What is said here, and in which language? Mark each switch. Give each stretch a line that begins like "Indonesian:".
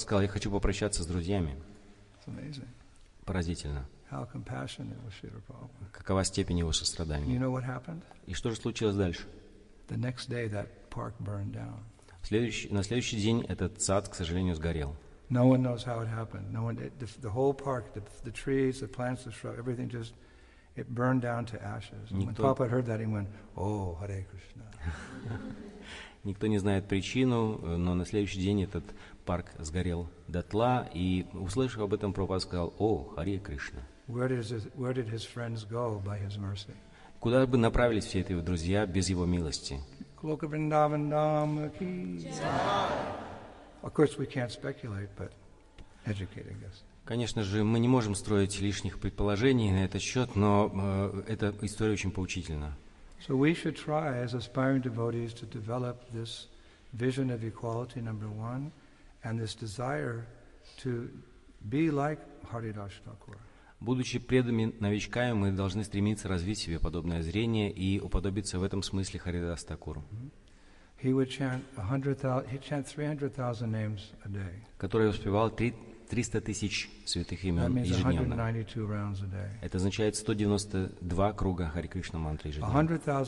Russian: сказал, я хочу попрощаться с друзьями. Поразительно.
English: How compassionate was Srila Prabhupada.
Russian: Какова степень его сострадания?
English: You know what happened?
Russian: И что же случилось дальше?
English: The next day that park burned down.
Russian: На следующий день этот сад, к сожалению, сгорел.
English: No one knows how it happened. No one, the whole park, the trees, the plants, the shrubs, everything just, it burned down to ashes. And when Prabhupada heard that, he went, oh, Hare Krishna.
Russian: Никто не знает причину, но на следующий день этот парк сгорел дотла, и, услышав об этом, Прабхупада сказал, о, Харе Кришна.
English: Where did his friends go by his mercy?
Russian: Куда бы направились все эти его друзья без его милости?
Hindi: Клока Вриндаван Дама Ки.
English: Of course, we can't speculate, but educate, I guess.
Russian: Конечно же, мы не можем строить лишних предположений на этот счет, но эта история очень поучительна.
English: So we should try, as aspiring devotees, to develop this vision of equality, number one, and this desire to be like Haridasa Thakura.
Russian: Будучи преданными новичками, мы должны стремиться развить себе подобное зрение и уподобиться в этом смысле Харидаса Такуру.
English: He would chant 300,000 names a day.
Russian: Который воспевал 300 тысяч святых имен ежедневно. Это означает 192 круга Хари Кришна мантры ежедневно.